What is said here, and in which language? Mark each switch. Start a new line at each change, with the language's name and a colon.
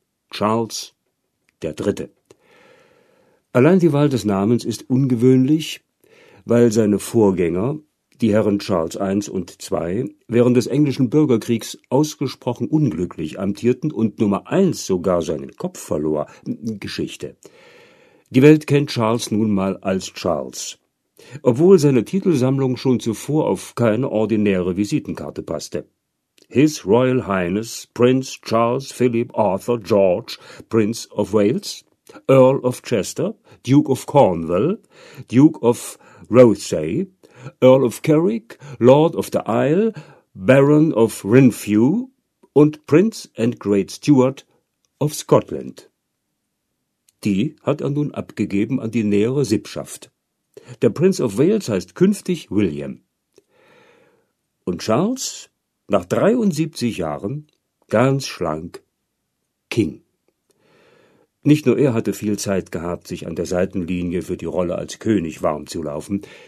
German: Charles der Dritte. Allein die Wahl des Namens ist ungewöhnlich, weil seine Vorgänger, die Herren Charles I und II, während des englischen Bürgerkriegs ausgesprochen unglücklich amtierten und Nummer I sogar seinen Kopf verlor. Geschichte. Die Welt kennt Charles nun mal als Charles. Obwohl seine Titelsammlung schon zuvor auf keine ordinäre Visitenkarte passte.
English: His Royal Highness Prince Charles Philip Arthur George, Prince of Wales, Earl of Chester, Duke of Cornwall, Duke of Rothesay, Earl of Carrick, Lord of the Isle, Baron of Renfrew und Prince and Great Steward of Scotland.
German: Die hat er nun abgegeben an die nähere Sippschaft. Der Prince of Wales heißt künftig William. Und Charles, nach 73 Jahren, ganz schlank, King. Nicht nur er hatte viel Zeit gehabt, sich an der Seitenlinie für die Rolle als König warm zu laufen.